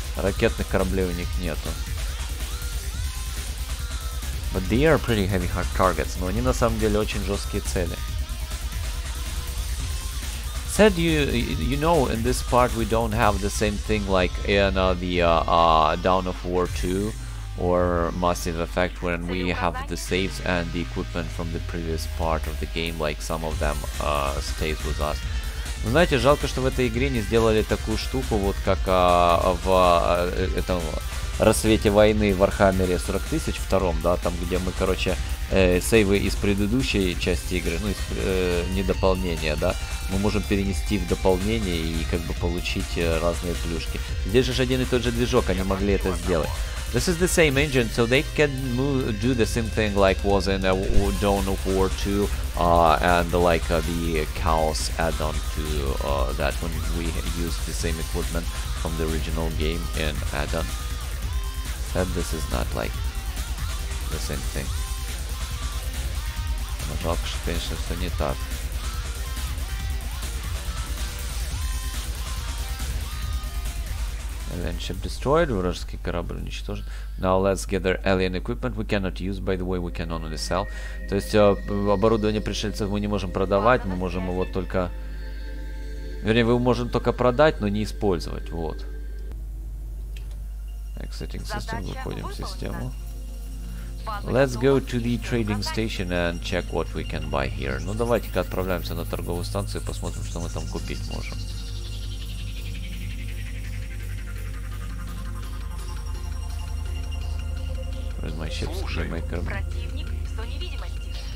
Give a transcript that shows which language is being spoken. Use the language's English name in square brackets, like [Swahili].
[Russian] Ракетных кораблей у них нету. [English] But they are pretty heavy hard targets. [Russian] Но они на самом деле очень жесткие цели. [English] Said you know in this part we don't have the same thing like in the Dawn of War 2 or Massive Effect when we have the saves and the equipment from the previous part of the game, like some of them stays with us. [Russian] Знаете, жалко, что в этой игре не сделали такую штуку, вот как в этом рассвете войны в Вархаммере 40 000 втором, да, там, где мы, короче, сейвы из предыдущей части игры, ну, из недополнения, да, мы можем перенести в дополнение и как бы получить разные плюшки. Здесь же один и тот же движок, они могли это сделать. [English] This is the same engine, so they can do the same thing like was in Dawn of War 2 and like the Chaos add-on to that when we used the same equipment from the original game in add-on. And this is not like the same thing. [Russian] Жалко, что, конечно, все не так. [English] Alien ship destroyed, [Russian] вражеский корабль уничтожен. [English] Now let's gather alien equipment. We cannot use, by the way, we can only sell. [Russian] То есть оборудование пришельцев мы не можем продавать, мы можем его только... Вернее, мы можем только продать, но не использовать, вот. [English] Exiting system, [Russian] выходим в систему. [English] Let's go to the trading station and check what we can buy here. [Russian] Ну давайте-ка отправляемся на торговую станцию и посмотрим, что мы там купить можем. Слушай, противник в зоне видимости.